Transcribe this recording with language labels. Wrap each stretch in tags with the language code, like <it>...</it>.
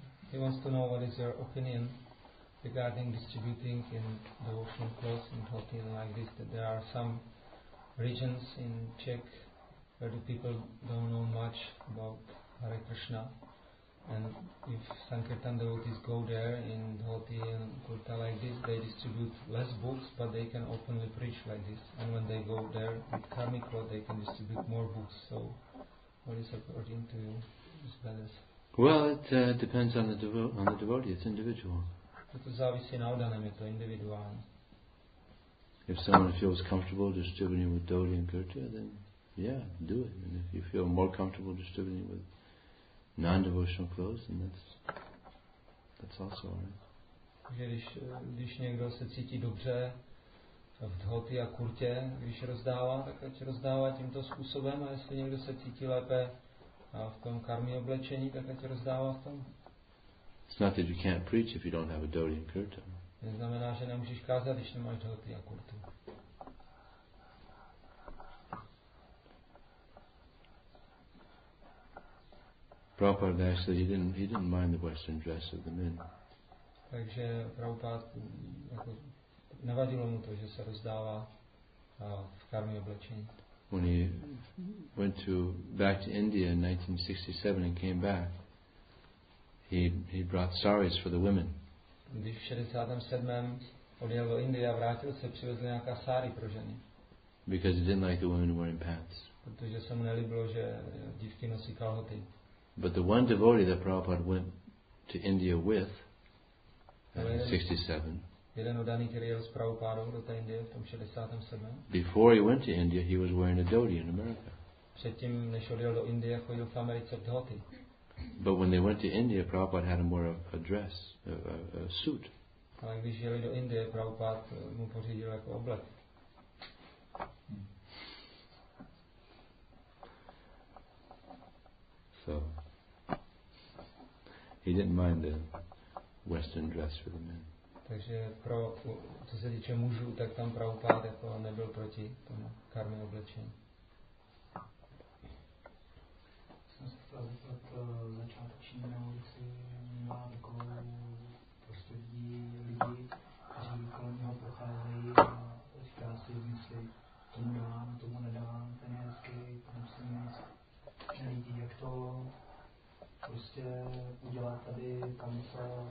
<en>He wants to know what is your opinion regarding distributing in devotional clothes in Hotin like this, that there are some regions in Czech where the people don't know much about Hare Krishna, and if Sankirtan devotees go there in Hoti and Kurta like this, they distribute less books, but they can openly preach like this, and when they go there with karmic clothes, they can distribute more books. So what is according to you is better? Well, it depends on the devotee. It's individual.</en> <cs>To závisí na odaném, je to individuální.</cs> <en>If someone feels comfortable distributing with Dodi and Kirtya, then yeah, do it. And if you feel more comfortable distributing with non-devotional clothes, then that's also alright.</en> <cs>Když někdo se cítí dobře v Dhoti a Kurtě, když rozdává, tak ať rozdává tímto způsobem, a jestli někdo se cítí lépe a v tom karmi oblečení, tak ať rozdává v tom.</cs> <en>It's not that you can't preach if you don't have a dhoti and kurta.</en> <cs>Neznamená, že nemůžeš kázat, když nemáš dhoti a kurtu.</cs> <en>Prabhupada actually he didn't mind the western dress of the men.</en> <cs>Takže Prabhupád jako nevadilo mu to, že se rozdává v karmi oblečení.</cs> <en>When he went back to India in 1967 and came back, he brought saris for the women.</en> <cs>Když v 67. odjel do Indie a vrátil se, přivezl nějaká sari pro ženy.</cs> <en>Because he didn't like the women wearing pants.</en> <cs>Protože se mu nelíbilo, že dívky nosí kalhoty.</cs> <en>But the one devotee that Prabhupada went to India with in 67.</en> <cs>Jeden udaný, který jel s Prabhupádou do té Indie v tom 67.</cs> <en>Before he went to India, he was wearing a dhoti in America.</en> <cs>Předtím, než odjel do Indie, chodil v Americe v dhoti.</cs> <en>But when they went to India, Prabhupada had him wear a dress, a suit.</en> <cs>Ale když jeli do Indie, Prabhupada mu pořídil jako oblek.</cs> <en>So he didn't mind the Western dress for the men.</en> <cs>Takže pro co se týče mužů, tak tam Prabhupada jako nebyl proti tomu karmě oblečení. Jsem se chtěl zeptat na čátečí na ulici, má takové prostředí lidí, kteří kolem něho procházejí a říká si, myslí, tomu dám, tomu nedám, ten je hezký, tam si nic nelíbí, jak to prostě udělat tady, kam se</cs>